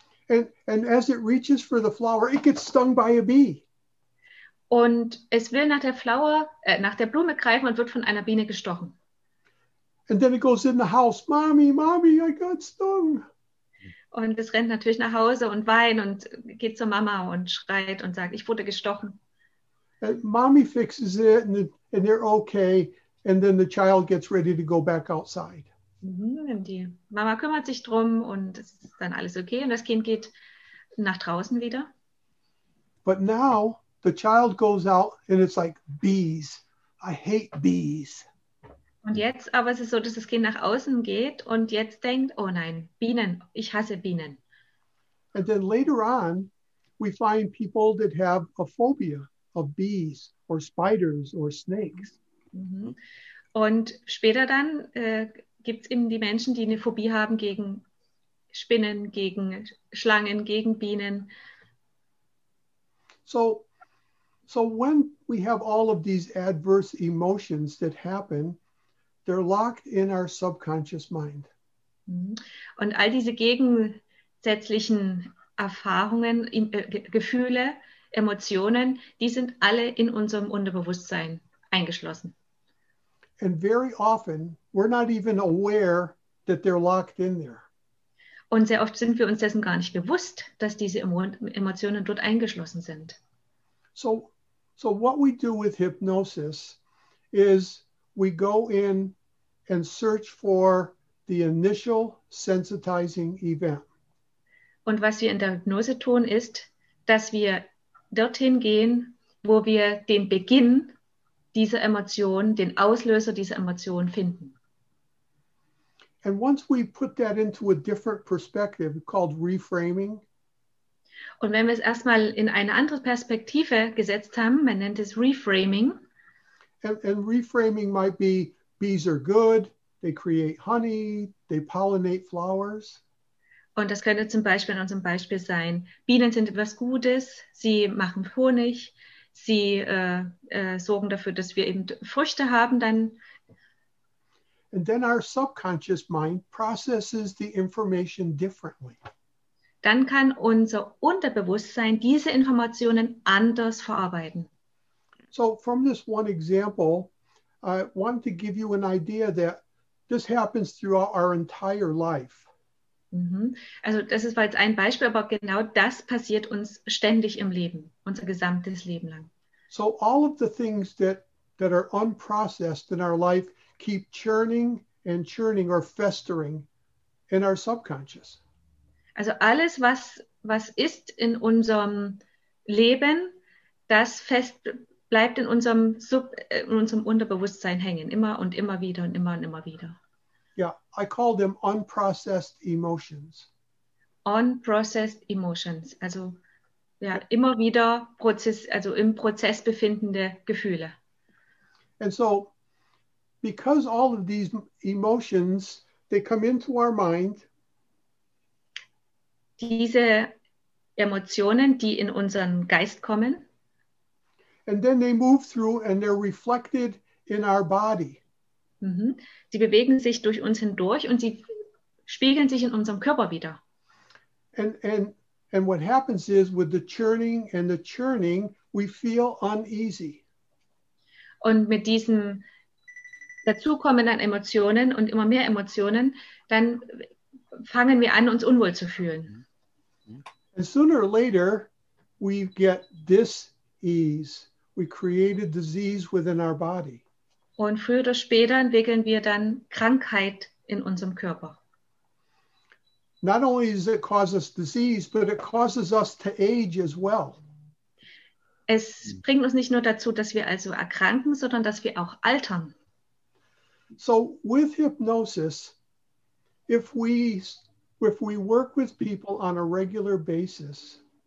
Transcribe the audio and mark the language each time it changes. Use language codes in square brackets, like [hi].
[en] And as it reaches for the flower, it gets stung by a bee. [de] Und es will nach der Flower, nach der Blume greifen und wird von einer Biene gestochen. [en] And then it goes in the house, Mommy, Mommy, I got stung. [de] Und es rennt natürlich nach Hause und weint und geht zur Mama und schreit und sagt, ich wurde gestochen. [en] And Mommy fixes it and they're okay. And then the child gets ready to go back outside. [de] Die Mama kümmert sich drum und es ist dann alles okay und das Kind geht nach draußen wieder. [en] But now the child goes out and it's like bees. I hate bees. [de] Und jetzt aber es ist so, dass das Kind nach außen geht und jetzt denkt, oh nein, Bienen, ich hasse Bienen. [en] And then later on we find people that have a phobia of bees or spiders or snakes. [de] Und später dann gibt es eben die Menschen, die eine Phobie haben gegen Spinnen, gegen Schlangen, gegen Bienen. [en] So when we have all of these adverse emotions that happen, they're locked in our subconscious mind. [de] Und all diese gegensätzlichen Erfahrungen, Gefühle, Emotionen, die sind alle in unserem Unterbewusstsein eingeschlossen. [en] And very often we're not even aware that they're locked in there. [de] Und sehr oft sind wir uns dessen gar nicht bewusst, dass diese Emotionen dort eingeschlossen sind. [en] So what we do with hypnosis is we go in and search for the initial sensitizing event. [de] Und was wir in der Hypnose tun ist, dass wir dorthin gehen, wo wir den Beginn dieser Emotion, den Auslöser dieser Emotion finden. [en] And once we put that into a different perspective called reframing. [de] Und wenn wir es erstmal in eine andere Perspektive gesetzt haben, man nennt es reframing. [en] And reframing might be bees are good, they create honey, they pollinate flowers. [de] Und das könnte zum Beispiel in unserem Beispiel sein, Bienen sind etwas Gutes, sie machen Honig. Sie sorgen dafür, dass wir eben Früchte haben, dann. [en] And then our subconscious mind processes the information differently. [de] Dann kann unser Unterbewusstsein diese Informationen anders verarbeiten. [en] So from this one example, I want to give you an idea that this happens throughout our entire life. [de] Also das ist jetzt ein Beispiel, aber genau das passiert uns ständig im Leben, unser gesamtes Leben lang. [en] So all of the things that are unprocessed in our life keep churning and churning or festering in our subconscious. [de] Also alles, was ist in unserem Leben, das fest bleibt in unserem Unterbewusstsein hängen, immer und immer wieder und immer und immer wieder. [en] Yeah, I call them unprocessed emotions. Unprocessed emotions, [de] also ja, immer wieder Prozess, also im Prozess befindende Gefühle. [en] And so, because all of these emotions, they come into our mind. [de] Diese Emotionen, die in unseren Geist kommen. [en] And then they move through and they're reflected in our body. [de] Sie bewegen sich durch uns hindurch und sie spiegeln sich in unserem Körper wieder. [en] And what happens is with the churning and the churning, we feel uneasy. [de] Und mit diesem dazukommenden Emotionen und immer mehr Emotionen, dann fangen wir an, uns unwohl zu fühlen. [en] And sooner or later, we get dis-ease. We create a disease within our body. [de] Und früher oder später entwickeln wir dann Krankheit in unserem Körper. [en] Not only does it cause us disease, but it causes us to age as well. [de] Es bringt uns nicht nur dazu, dass wir also erkranken, sondern dass wir auch altern. [en] So with hypnosis, if we work with people on a regular basis.